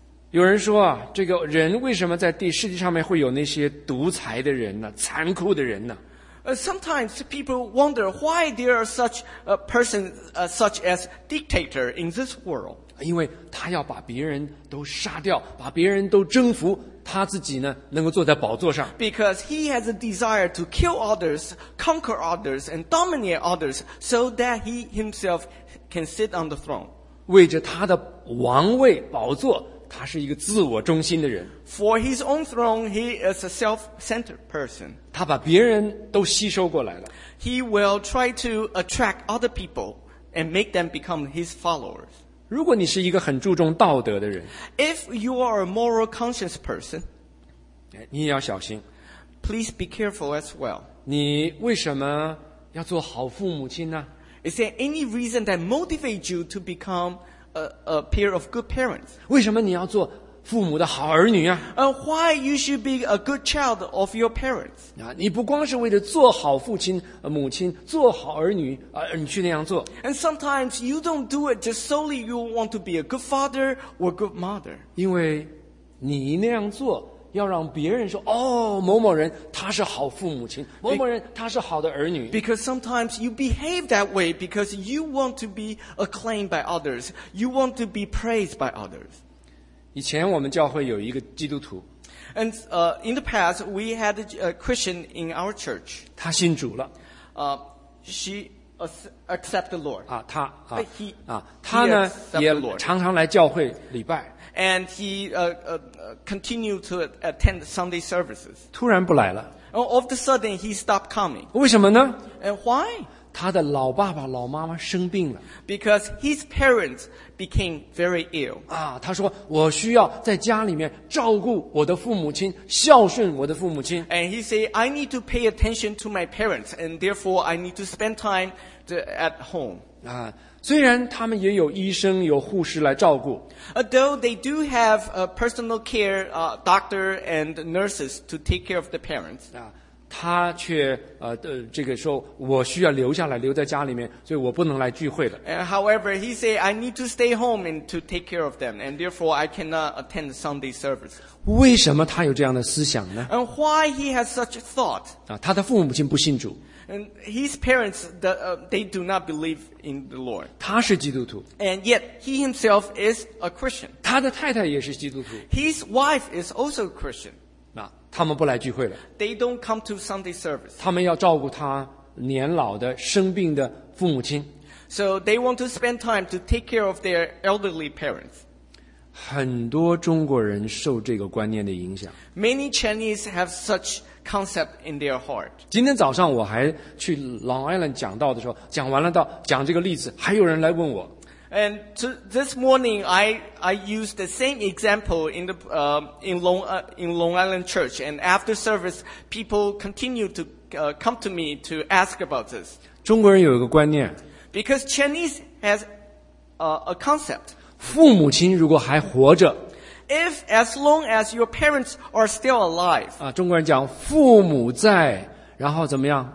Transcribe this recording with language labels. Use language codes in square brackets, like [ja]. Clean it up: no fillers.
[zh] 有人说这个人为什么在地世界上面会有那些独裁的人呢残酷的人呢 [en] Sometimes people wonder why there are such a person such as dictator in this world [zh] 因为他要把别人都杀掉把别人都征服他自己呢能够坐在宝座上 [en] Because he has a desire to kill others conquer others and dominate others so that he himselfcan sit on the throne. [zh] 为着他的王位宝座他是一个自我中心的人。 [en] For his own throne, he is a self-centered person. [zh] 他把别人都吸收过来了。 [en] He will try to attract other people and make them become his followers. [zh] 如果你是一个很注重道德的人 [en] If you are a moral conscious person, [zh] 你也要小心。 [en] Please be careful as well. [zh] 你为什么要做好父母亲呢？ [en] Is there any reason that motivates you to become a pair of good parents? [zh] 为什么你要做父母的好儿女啊？ [en] Why you should be a good child of your parents? [zh] 啊，你不光是为了做好父亲、母亲，做好儿女啊，你去那样做。 [en] And sometimes you don't do it just solely you want to be a good father or good mother. [zh] 因为你那样做要让别人说哦，某某人他是好父母亲，某某人他是好的儿女。 [en] Because sometimes you behave that way because you want to be acclaimed by others, you want to be praised by others. [zh] 以前我们教会有一个基督徒。 [en] And in the past we had a Christian in our church. [zh] 他信主了。 [en] She accepted the Lord. [zh] 啊，他啊。 [en] But he, [zh] 啊，他呢也常常来教会礼拜。 [en] And he continued to attend Sunday services. [zh] 突然不来了。 [en] All of a sudden, he stopped coming. [zh] 为什么呢？ [en] And why? [zh] 他的老爸爸、老妈妈生病了。 [en] Because his parents became very ill. [zh] 啊，他说，我需要在家里面照顾我的父母亲，孝顺我的父母亲。 [en] And he said, I need to pay attention to my parents, and therefore I need to spend time at home. [zh] 啊，虽然他们也有医生有护士来照顾 [en] Although they do have a personal care doctor and nurses to take care of the parents [zh] 他却这个说我需要留下来留在家里面所以我不能来聚会了 [en] However he said I need to stay home and to take care of them and therefore I cannot attend Sunday service [zh] 为什么他有这样的思想呢 [en] And why he has such thought [zh] 他的父母亲不信主 [en] And his parents, they do not believe in the Lord. [zh] 他是基督徒。 [en] And yet, he himself is a Christian. [zh] 他的太太也是基督徒。 [en] His wife is also a Christian. [zh] 那他们不来聚会了。 [en] They don't come to Sunday service. [zh] 他们要照顾他年老的、生病的父母亲。 [en] So they want to spend time to take care of their elderly parents. [zh] 很多中国人受这个观念的影响。 [en] Many Chinese have such concept in their heart. [zh] 今天早上我还去 Long Island 讲道的时候，讲完了道，讲这个例子，还有人来问我。 [en] And this morning, I used the same example in the in Long Island Church. And after service, people continue to come to me to ask about this. [zh] 中国人有一个观念。 [en] Because Chinese has a concept. [zh] 父母亲如果还活着。 [en] If as long as your parents are still alive, [zh] 啊，中国人讲父母在，然后怎么样？